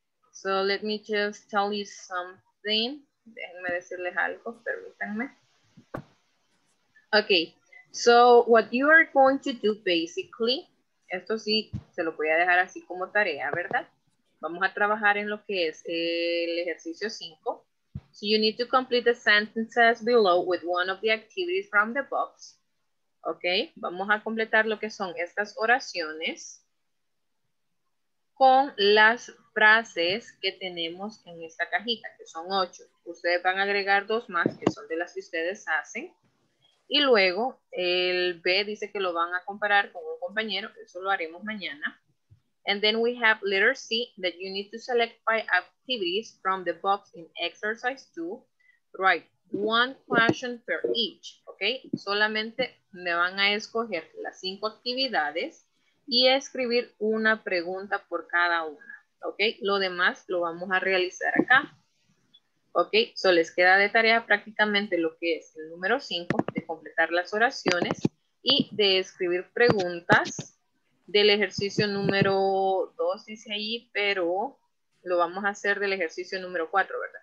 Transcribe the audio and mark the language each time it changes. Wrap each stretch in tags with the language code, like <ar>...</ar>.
<en>So let me just tell you something.</en> <es>Déjenme decirles algo, permítanme.</es> <en>Okay, so what you are going to do basically,</en> <es>esto sí se lo voy a dejar así como tarea, ¿verdad? Vamos a trabajar en lo que es el ejercicio 5.</es> <en>So you need to complete the sentences below with one of the activities from the box.</en> <es>Okay, vamos a completar lo que son estas oraciones. con las frases que tenemos en esta cajita, que son 8. Ustedes van a agregar 2 más, que son de las que ustedes hacen. Y luego el B dice que lo van a comparar con un compañero. Eso lo haremos mañana.</es> <en>And then we have letter C, that you need to select 5 activities from the box in exercise 2. Write 1 question per each. Okay?</en> <es>Solamente me van a escoger las 5 actividades y escribir una pregunta por cada una. Okay? Lo demás lo vamos a realizar acá. Okay? So les queda de tarea prácticamente lo que es el número 5, de completar las oraciones y de escribir preguntas del ejercicio número 2, dice ahí, pero lo vamos a hacer del ejercicio número 4, ¿verdad?</es>